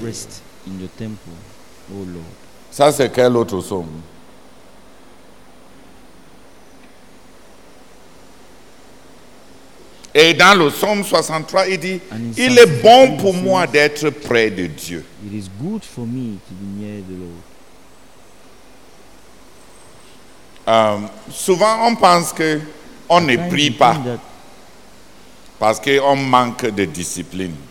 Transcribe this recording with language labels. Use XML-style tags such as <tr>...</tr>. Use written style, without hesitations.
<en>Rest in your temple, oh Lord.</en> <fr>Ça c'est quel autre psaume? Et dans le psaume 63, il dit, il est bon pour moi d'être près de Dieu.</fr> <en>It is good for me to be near the Lord.</en> <fr>Souvent, on pense qu'on ne prie pas parce qu'on manque de discipline.</fr>